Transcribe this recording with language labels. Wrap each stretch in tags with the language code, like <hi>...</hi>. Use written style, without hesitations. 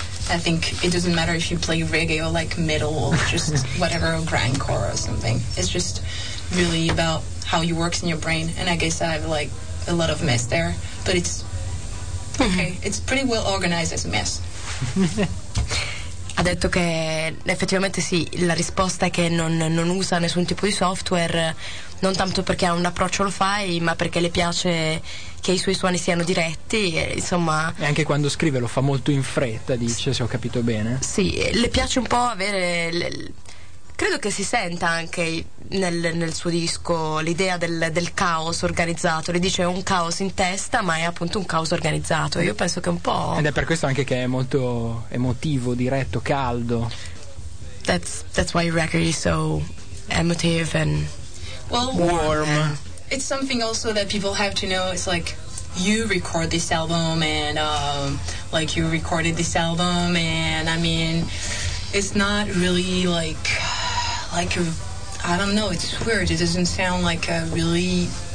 <en>I think it doesn't matter if you play reggae or like metal or just whatever, or grindcore or something. It's just really about how you work in your brain, and I guess I have like a lot of mess there, but it's okay, it's pretty well organized as a mess.</en> <it>Ha detto che effettivamente sì, la risposta è che non usa nessun tipo di software, non tanto perché ha un approccio lo fai, ma perché le piace che i suoi suoni siano diretti, insomma. E anche quando scrive lo fa molto in fretta, dice, se ho capito bene. Sì, le piace un po' avere credo che si senta anche nel suo disco l'idea del caos organizzato. Le dice un caos in testa, ma è appunto un caos organizzato. Io penso che un po'... Ed è per questo anche che è molto emotivo, diretto, caldo.</it> <en>That's why your record is so emotive and warm. It's something also that people have to know. It's like you record this album and like you recorded this album and I mean it's not really like a, I don't know, it's weird, it doesn't sound like a really</en>